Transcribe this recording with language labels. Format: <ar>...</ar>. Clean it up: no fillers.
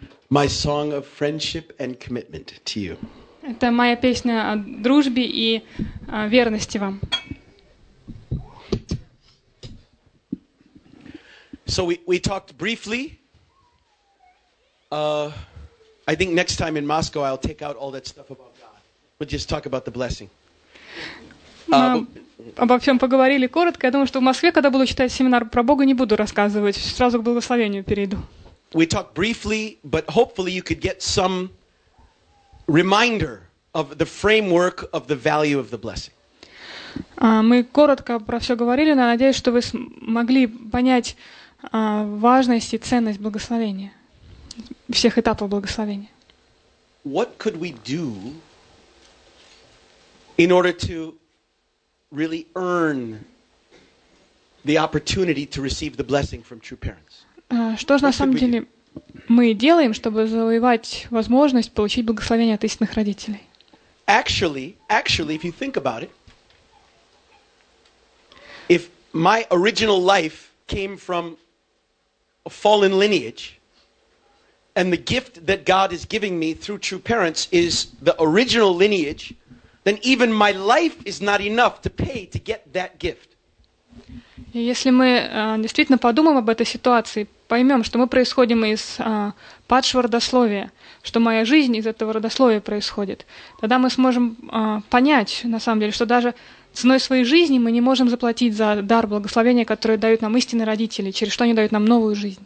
<en>My song of friendship and commitment to you.</en> <ru>Это моя песня о дружбе и верности вам.</ru> <en>So we talked briefly. I think next time in Moscow I'll take out all that stuff about God. We'll just talk about the blessing.</en> <ru>Обо всем поговорили коротко. Я думаю, что в Москве, когда буду читать семинар про Бога, не буду рассказывать. Сразу к благословению перейду.</ru> <en>We talked briefly, but hopefully you could get some reminder of the framework of the value of the blessing.</en> <ru>Мы коротко про все говорили, но я надеюсь, что вы смогли понять важность и ценность благословения, всех этапов благословения.</ru> <en>What could we do in order to really earn the opportunity to receive the blessing from true parents?</en> <ru>Что же на самом деле мы делаем, чтобы завоевать возможность получить благословение от истинных родителей?</ru> <en>Actually, if you think about it, if my original life came from a fallen lineage, and the gift that God is giving me through true parents is the original lineage, then even my life is not enough to pay to get that gift.</en> <ru>Если мы действительно подумаем об этой ситуации, поймем, что мы происходим из падшего родословия, что моя жизнь из этого родословия происходит, тогда мы сможем понять, на самом деле, что даже ценой своей жизни мы не можем заплатить за дар благословения, который дают нам истинные родители, через что они дают нам новую</ru>